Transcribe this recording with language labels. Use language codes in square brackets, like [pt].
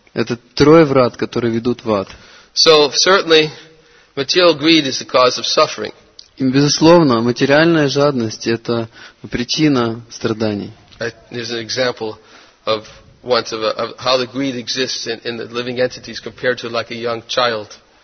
[ru] Это трое врат, которые ведут в ад. [en] So, certainly, material greed is the cause of suffering. [ru] И, безусловно, материальная жадность – это причина страданий. [en] There's an example of once of how the greed exists in the living entities compared to like a young child.